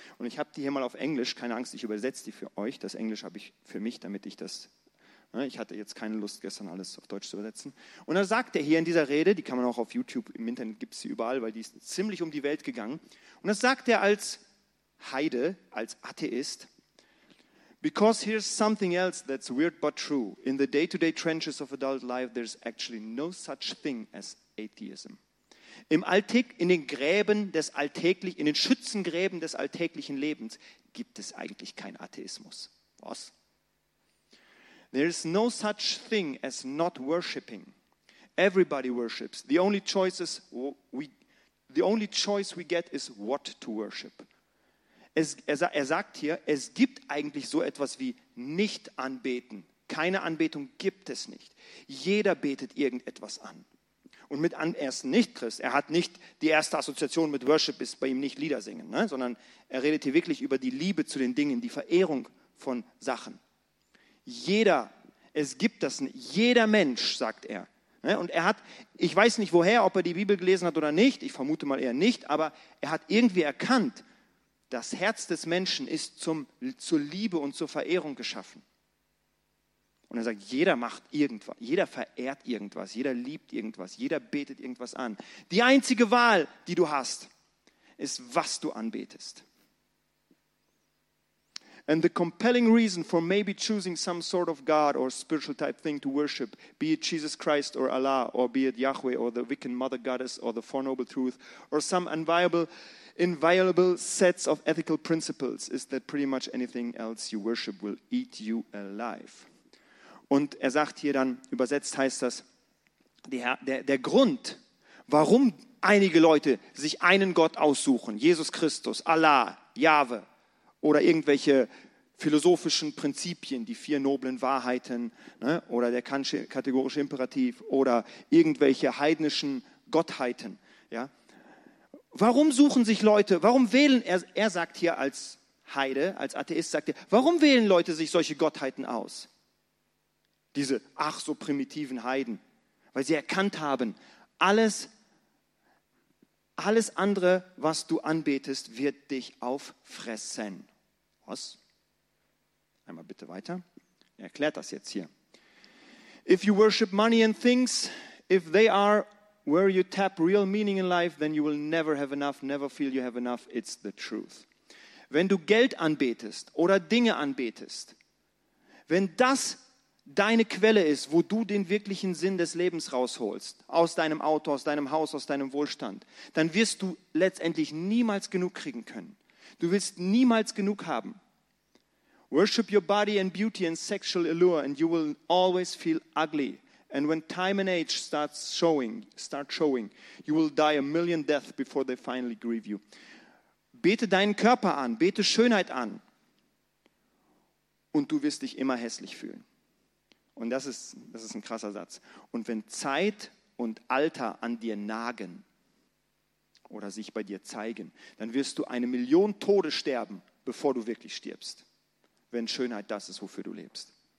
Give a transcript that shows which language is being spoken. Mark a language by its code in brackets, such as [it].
[de] Und ich habe die hier mal auf Englisch, keine Angst, ich übersetze die für euch. Das Englisch habe ich für mich, damit ich das, ne, ich hatte jetzt keine Lust, gestern alles auf Deutsch zu übersetzen. Und dann sagt er hier in dieser Rede, die kann man auch auf YouTube, im Internet gibt es sie überall, weil die ist ziemlich um die Welt gegangen. Und das sagt er als Heide, als Atheist. [en] Because here's something else that's weird but true. In the day-to-day trenches of adult life, there's actually no such thing as atheism. [de] In den Schützengräben des alltäglichen Lebens gibt es eigentlich keinen Atheismus. Was? [en] There is no such thing as not worshipping. Everybody worships. The only choice we get is what to worship. [de] Er sagt hier, es gibt eigentlich so etwas wie nicht anbeten. Keine Anbetung gibt es nicht. Jeder betet irgendetwas an. Und mit an, er ist nicht Christ, er hat nicht die erste Assoziation mit Worship, ist bei ihm nicht Lieder singen, ne? Sondern er redet hier wirklich über die Liebe zu den Dingen, die Verehrung von Sachen. Jeder, es gibt das, jeder Mensch, sagt er. Ne? Und er hat, ich weiß nicht woher, ob er die Bibel gelesen hat oder nicht, ich vermute mal eher nicht, aber er hat irgendwie erkannt, das Herz des Menschen ist zur Liebe und zur Verehrung geschaffen. Und er sagt, jeder macht irgendwas, jeder verehrt irgendwas, jeder liebt irgendwas, jeder betet irgendwas an. Die einzige Wahl, die du hast, ist, was du anbetest. [en] And the compelling reason for maybe choosing some sort of God or spiritual type thing to worship, be it Jesus Christ or Allah, or be it Yahweh or the Wiccan Mother Goddess or the Four Noble Truths or some unviable inviolable sets of ethical principles is that pretty much anything else you worship will eat you alive. [de] Und er sagt hier dann, übersetzt heißt das, der Grund, warum einige Leute sich einen Gott aussuchen, Jesus Christus, Allah, Jahwe oder irgendwelche philosophischen Prinzipien, die vier noblen Wahrheiten, ne, oder der kategorische Imperativ oder irgendwelche heidnischen Gottheiten, ja. Warum suchen sich Leute, warum wählen, er sagt hier als Heide, als Atheist sagt er, warum wählen Leute sich solche Gottheiten aus? Diese ach so primitiven Heiden, weil sie erkannt haben, alles andere, was du anbetest, wird dich auffressen. Was? Einmal bitte weiter. Er erklärt das jetzt hier. [en] If you worship money and things, if they are where you tap real meaning in life, then you will never have enough, never feel you have enough. It's the truth. [de] Wenn du Geld anbetest oder Dinge anbetest, wenn das deine Quelle ist, wo du den wirklichen Sinn des Lebens rausholst, aus deinem Auto, aus deinem Haus, aus deinem Wohlstand, dann wirst du letztendlich niemals genug kriegen können. Du willst niemals genug haben. [en] Worship your body and beauty and sexual allure and you will always feel ugly. And when time and age start showing, you will die a million deaths before they finally grieve you. [de] Bete deinen Körper an, bete Schönheit an und du wirst dich immer hässlich fühlen. Und das ist ein krasser Satz. Und wenn Zeit und Alter an dir nagen oder sich bei dir zeigen, dann wirst du eine Million Tode sterben, bevor du wirklich stirbst, wenn Schönheit das ist, wofür du lebst.